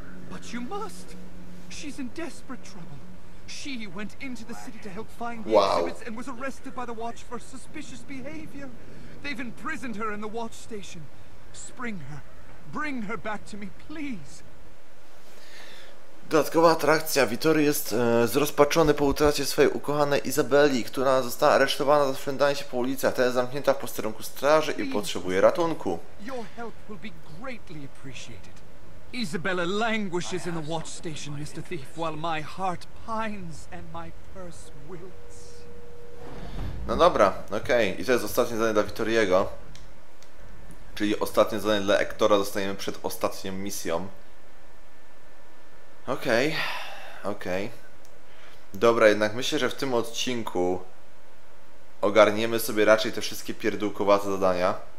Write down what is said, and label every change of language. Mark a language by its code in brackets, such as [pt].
[en] But you must. She's in desperate trouble. She went into the city to help find the exhibits and was arrested by the Watch for suspicious behavior. They've imprisoned her in the Watch station. Spring her. Bring her back to me, please. [pl] Dodatkowa atrakcja. Vittorio jest zrozpaczony po utracie swojej ukochanej Izabeli, która została aresztowana za szwędanie się po ulicach. Teraz zamknięta w posterunku straży i potrzebuje ratunku. [en] Your help will be greatly appreciated. Isabella languishes in the Watch Station, Mr. Thief, while my heart pines and my purse wilts. [pl] No dobra, okej. Okay. I to jest ostatnie zadanie dla Vittoriego. Czyli ostatnie zadanie dla Hectora dostajemy przed ostatnią misją. Okej, okay. Okej. Okay. Dobra, jednak myślę, że w tym odcinku ogarniemy sobie raczej te wszystkie pierdółkowate zadania.